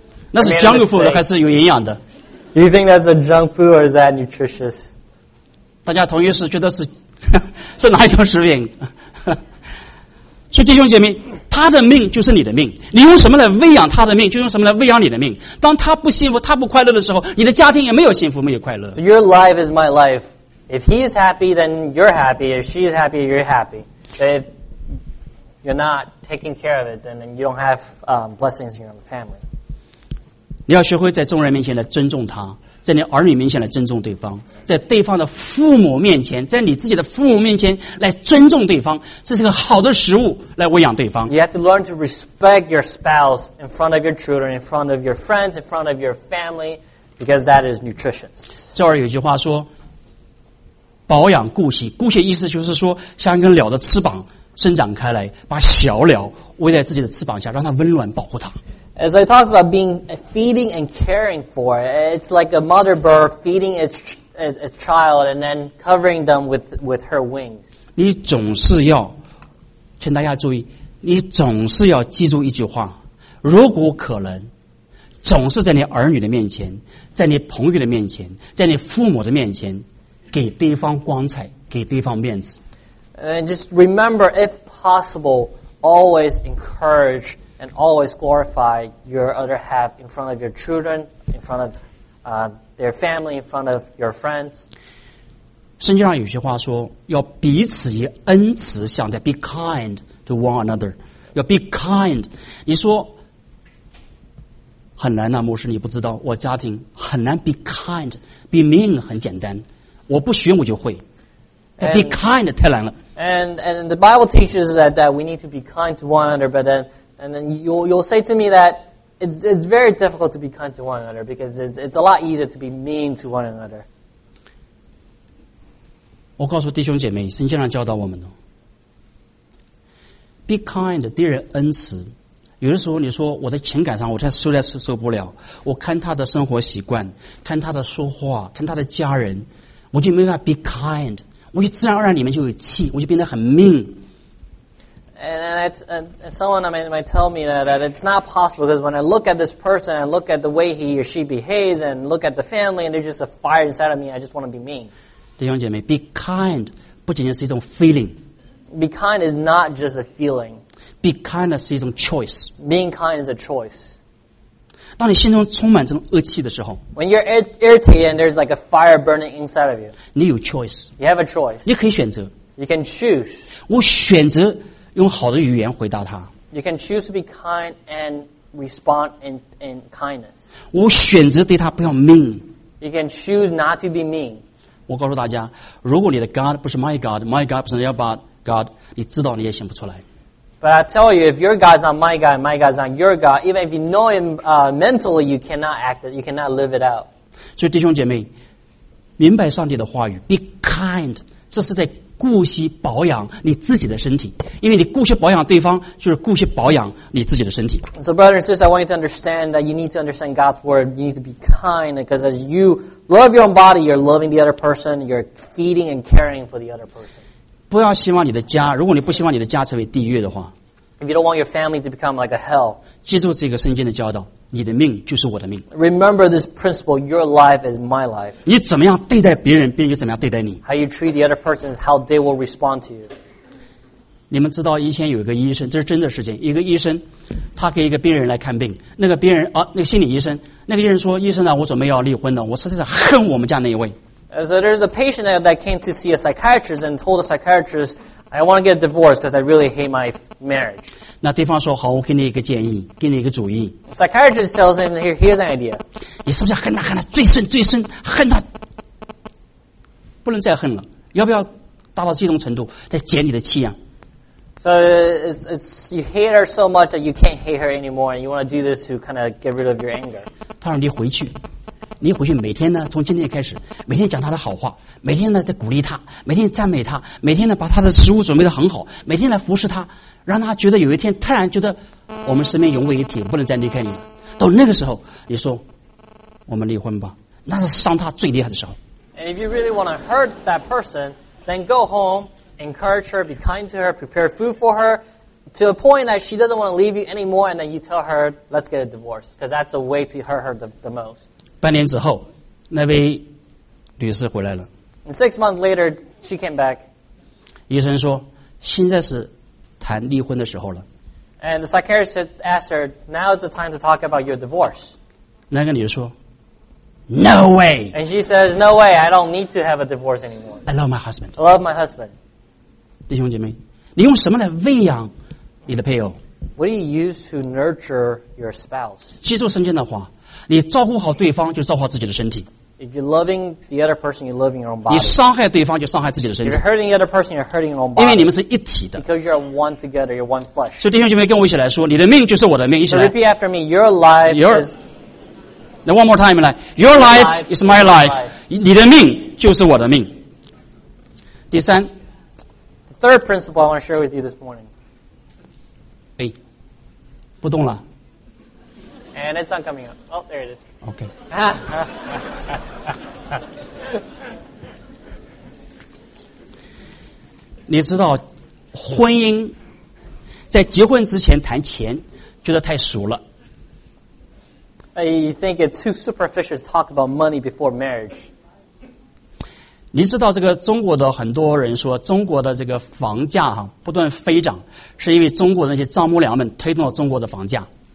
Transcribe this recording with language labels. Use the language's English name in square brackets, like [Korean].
[Chinese] 那是 [English] junk food [Chinese] 还是有营养的？ [English] Do you think that's a junk food or is that nutritious? [Chinese] 大家同意是觉得是是哪一种食品？所以弟兄姐妹，他的命就是你的命，你用什么来喂养他的命，就用什么来喂养你的命。当他不幸福，他不快乐的时候，你的家庭也没有幸福，没有快乐。 [English] So your life is my life. If he is happy, then you're happy. If she is happy, you're happy. If you're not taking care of it, then you don't have blessings in your family. [Chinese] 你要学会在众人面前来尊重他，在你儿女面前来尊重对方，在对方的父母面前，在你自己的父母面前来尊重对方，这是个好的食物来喂养对方。 [English] You have to learn to respect your spouse in front of your children, in front of your friends, in front of your family, because that is nutritious. [Chinese] 这儿有句话说，保养固息，固息意思就是说像一根鸟的翅膀伸展开来，把小鸟围在自己的翅膀下，让它温暖保护它。 [English] As I talk about being feeding and caring for, it's like a mother bird feeding its child and then covering them with her wings. [Chinese] 你总是要，劝大家注意，你总是要记住一句话，如果可能，总是在你儿女的面前，在你朋友的面前，在你父母的面前，给对方光彩，给对方面子。 [English] And just remember, if possible, always encourage and always glorify your other half in front of your children, in front of their family, in front of your friends. [Chinese] 圣经上有些话说，要彼此以恩慈相待 ， [English] be kind to one another. 要 be kind. [Chinese] 你说很难呐、啊，牧师，你不知道我家庭很难 [English] be kind. Be mean [Chinese] 很简单，我不学我就会。但 [English] be kind [Chinese] 太难了。 [English] And the Bible teaches that we need to be kind to one another, but then and then you'll say to me that it's very difficult to be kind to one another because it's a lot easier to be mean to one another. [Chinese] 我告诉弟兄姐妹，圣经上教导我们呢 ， [English] be kind， [Chinese] 对人恩慈。有的时候你说我的情感上我太受在受不了，我看他的生活习惯，看他的说话，看他的家人，我就没办法 [English] be kind。 [Chinese] 我就自然而然里面就有气，我就变得很 mean。 [English] And someone might tell me that it's not possible because when I look at this person, I look at the way he or she behaves, and look at the family, and there's just a fire inside of me. I just want to be mean. [Chinese] 弟兄姐妹 ， [English] be kind [Chinese] 不仅仅是一种 feeling。 [English] Be kind is not just a feeling. Be kind [Chinese] 是一种 choice. [English] Being kind is a choice. [Chinese] 当你心中充满这种恶气的时候 [English] ，When you're irritated and there's like a fire burning inside of you， [Chinese] 你有 choice， [English] you have a choice， [Chinese] 你可以选择 [English] ，you can choose。 [Chinese] 我选择用好的语言回答他 [English] ，you can choose to be kind and respond in kindness。 [Chinese] 我选择对他不要 mean， [English] you can choose not to be mean。 [Chinese] 我告诉大家，如果你的 God 不是 [English] my God， [Chinese] my God 不是 [English] your God， [Chinese] 你知道你也想不出来。 [English] But I tell you, if your God's not my God, my God's not your God, even if you know him mentally, you cannot act it, you cannot live it out. [Chinese] 所以弟兄姐妹，明白上帝的话语 ，be kind， 这是在顾惜保养你自己的身体，因为你顾惜保养对方，就是顾惜保养你自己的身体。 [English] So brothers and sisters, I want you to understand that you need to understand God's word. You need to be kind, because as you love your own body, you're loving the other person, you're feeding and caring for the other person. [Chinese] 不要希望你的家，如果你不希望你的家成为地狱的话 [English] ，If you don't want your family to become like a hell， [Chinese] 记住这个圣经的教导，你的命就是我的命。 [English] Remember this principle: your life is my life. [Chinese] 你怎么样对待别人，别人就怎么样对待你。 [English] How you treat the other person is how they will respond to you. [Chinese] 你们知道以前有一个医生，这是真的事情。一个医生，他给一个病人来看病，那个病人啊，那个心理医生，那个医生说：“医生啊，我准备要离婚了，我实在是恨我们家那一位。” [English] So there's a patient that came to see a psychiatrist and told the psychiatrist, I want to get a divorce because I really hate my marriage. [Chinese] 那对方说好，我给你一个建议，给你一个主意。 [English] Psychiatrist tells him, here's an idea. [Chinese] 你是不是要恨他恨他最深最深恨他不能再恨了，要不要达到这种程度再解你的气啊？ [English] So it's you hate her so much that you can't hate her anymore and you want to do this to kind of get rid of your anger. [Chinese] 他让你回去。你回去每天呢，从今天开始，每天讲他的好话，每天呢在鼓励他，每天赞美他，每天呢把他的食物准备得很好，每天来服侍他，让他觉得有一天突然觉得我们身边融为一体，不能再离开你了。到那个时候，你说我们离婚吧，那是伤他最厉害的时候。 [English] And if you really want to hurt that person, then go home, encourage her, be kind to her, prepare food for her, to a point that she doesn't want to leave you anymore, and then you tell her, let's get a divorce, because that's a way to hurt her the most. [Chinese] 半年之后，那位律师回来了。 [English] Six months later, she came back. [Chinese] 医生说，现在是谈离婚的时候了。 [English] And the psychiatrist asked her, "Now is the time to talk about your divorce." [Chinese] 那个女的说 ， [English] No way. And she says, "No way. I don't need to have a divorce anymore. I love my husband. I love my husband." [Chinese] 弟兄姐妹，你用什么来喂养你的配偶 [English] ？What do you use to nurture your spouse? [Chinese] 记住圣经的话。你照顾好对方，就照顾好自己的身体。 [English] If you're loving the other person, you're loving your own body. [Chinese] 你伤害对方，就伤害自己的身体。 [English] If you're hurting the other person, you're hurting your own body. [Chinese] 因为你们是一体的。 [English] Because you're one together, you're one flesh. [Chinese] 所以弟兄姐妹跟我一起来说，你的命就是我的命，一起来。 [English] Repeat after me. Your life is. Now one more time, 来。Your life is my life. [Chinese] 你的命就是我的命。第三 [English] The third principle I want to share with you this morning. [Chinese] 哎，不动了。 [English] And it's not coming up. Oh, there it is. Okay. [Chinese] 你知道，婚姻在结婚之前谈钱，觉得太俗了。 [English] You think it's too superficial to talk about money before marriage. [Chinese] 你知道这个中国的很多人说，中国的这个房价哈不断飞涨，是因为中国的那些丈母娘们推动了中国的房价。